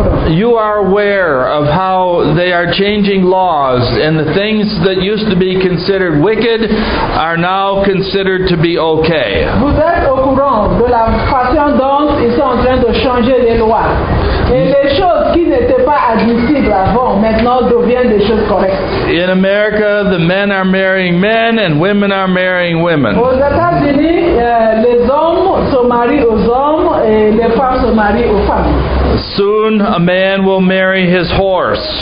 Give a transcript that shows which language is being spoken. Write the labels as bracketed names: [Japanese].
[English] You are aware of how they are changing laws, and the things that used to be considered wicked are now considered to be okay. [French] Vous êtes au courant de la façon dont ils sont en train de changer les lois. Et les choses qui n'étaient pas admissibles avant, maintenant deviennent des choses correctes. [English] In America, the men are marrying men and women are marrying women. [French] Aux États-Unis, les hommes se marient aux hommes et les femmes se marient aux femmes. [English] Soon, a man will marry his horse.